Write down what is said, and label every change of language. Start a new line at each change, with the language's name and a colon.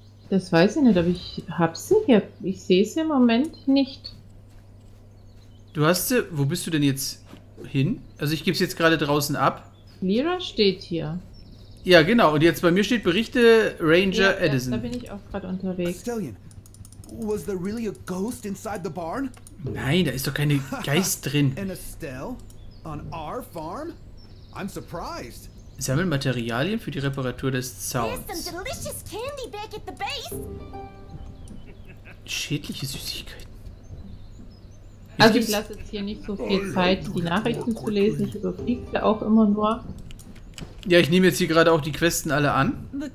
German: Das weiß ich nicht, aber ich habe sie hier. Ich sehe sie im Moment nicht. Du hast sie. Wo bist du denn jetzt hin? Also ich gebe sie jetzt gerade draußen ab. Lyra steht hier. Ja, genau. Und jetzt bei mir steht Berichte Ranger Edison. Da bin ich auch gerade unterwegs.
English: Was there really a ghost inside the barn?
German: Nein, da ist doch keine Geist drin.
English: And Estelle? On our farm? I'm surprised.
German: Sammeln Materialien für die Reparatur des Zauns.
English: There's some delicious candy back at the base.
German: Schädliche Süßigkeiten. Also ich lasse jetzt hier nicht so viel Zeit, die Nachrichten zu lesen. Ich überfliege sie auch immer nur. Ja, ich nehme jetzt hier gerade auch die Questen alle an.